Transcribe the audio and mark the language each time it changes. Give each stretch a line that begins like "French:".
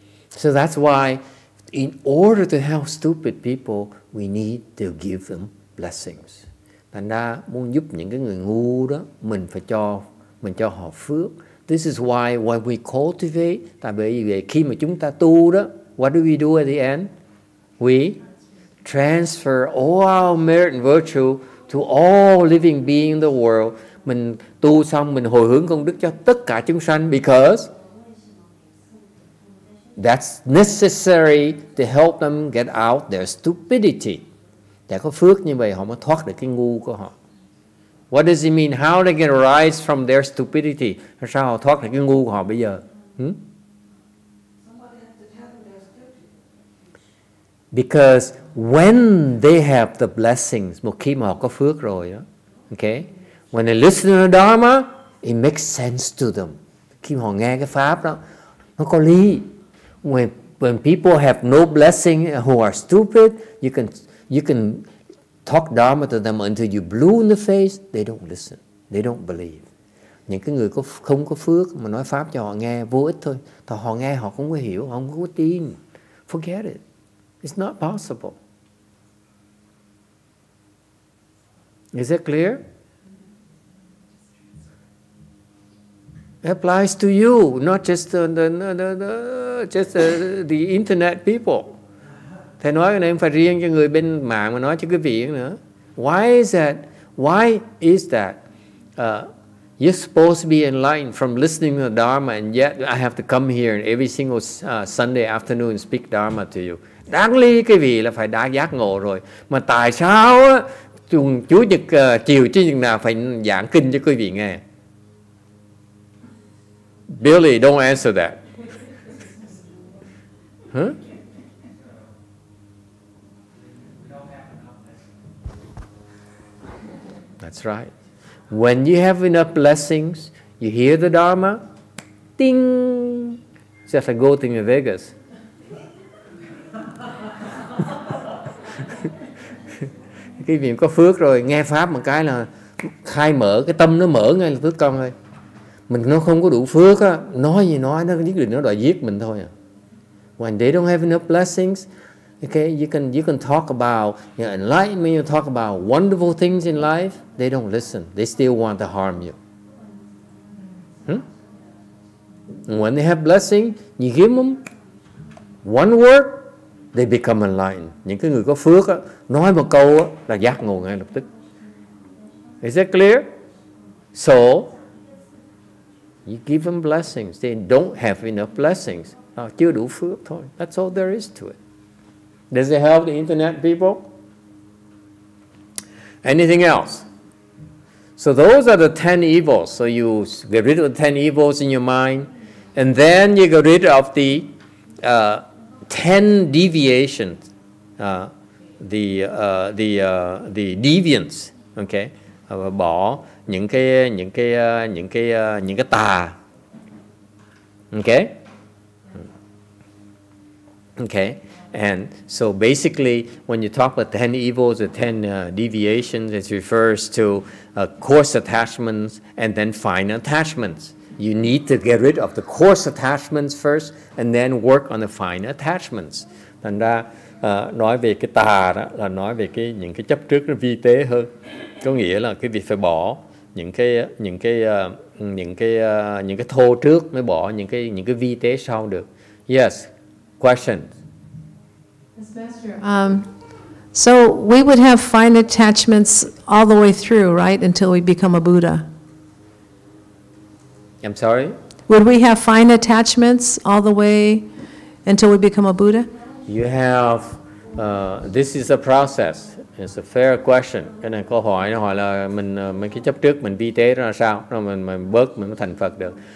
English: So that's why, in order to help stupid people, we need to give them blessings.
Vietnamese: Thành ra, muốn giúp những cái người ngu đó, mình cho họ phước.
English: This is why when we cultivate,
Vietnamese: tại bởi vì khi mà chúng ta tu đó,
English: what do we do at the end? We transfer all our merit and virtue to all living beings in the world.
Vietnamese: Mình tu xong, mình hồi hướng công đức cho tất cả chúng sanh
English: because that's necessary to help them get out their stupidity.
Vietnamese: Để có phước như vậy, họ mới thoát được cái ngu của họ.
English: What does it mean? How they can rise from their stupidity?
Vietnamese: Làm sao họ thoát được cái ngu của họ bây giờ?
English: Because when they have the blessings,
Vietnamese: một khi mà họ có phước rồi, okay?
English: When they listen to the Dharma, it makes sense to them.
Vietnamese: Khi mà họ nghe cái pháp đó, nó có lý.
English: When people have no blessing who are stupid, you can talk Dharma to them until you blue in the face, they don't listen. They don't believe.
Vietnamese: Những cái người không có phước mà nói pháp cho họ nghe vô ích thôi. Thì họ nghe họ không có hiểu, họ không có tin.
English: Forget it. It's not possible. Is it clear? It applies to you, not just the internet people.
Vietnamese: Thầy nói cái này không phải riêng cho người bên mạng mà nói cho quý vị nữa.
English: Why is that? Why is that? You're supposed to be enlightened from listening to the Dharma, and yet I have to come here and every single Sunday afternoon speak Dharma to you.
Vietnamese: Đáng lý quý vị là phải đã giác ngộ rồi. Mà tại sao Chủ nhật chiều Chủ nhật nào phải giảng kinh cho quý vị nghe?
English: Billy, don't answer that. Huh? That's right. When you have enough blessings, you hear the Dharma, ding, just like going to Vegas.
Vietnamese: Khi mình có phước rồi, nghe Pháp một cái là khai mở, cái tâm nó mở ngay là tức công thôi. Mình nó không có đủ phước á, nói gì nói, nó nhất định nó đòi giết mình thôi à.
English: When they don't have enough blessings, okay, you can talk about, you know, enlightenment, you talk about wonderful things in life, they don't listen. They still want to harm you. And when they have blessing, you give them one word, they become enlightened.
Vietnamese: Những cái người có phước á, nói một câu á, là giác ngộ ngay lập tức.
English: Is that clear? So, you give them blessings. They don't have enough blessings.
Vietnamese: Chưa đủ phước thôi.
English: That's all there is to it. Does it help the internet people? Anything else? So those are the 10 evils. So you get rid of the 10 evils in your mind. And then you get rid of the 10 deviations. The deviance. Okay?
Vietnamese: Bỏ những cái tà. Okay?
English: Okay? And so basically, when you talk about 10 evils or 10 deviations, it refers to coarse attachments and then fine attachments. You need to get rid of the coarse attachments first and then work on the fine attachments.
Vietnamese: Thành ra, nói về cái tà đó là nói về cái những cái chấp trước nó vi tế hơn. Có nghĩa là cái việc phải bỏ những cái thô trước mới bỏ những cái vi tế sau được.
English: Yes, question. So we would have fine attachments all the way through, right, until we become a Buddha. I'm sorry? Would we have fine attachments all the way until we become a Buddha? You have, this is a process. It's a fair question.
Vietnamese: Cái này câu hỏi nó hỏi là mình cái chấp trước mình vi tế ra sao, rồi mình bớt mình mới thành Phật được.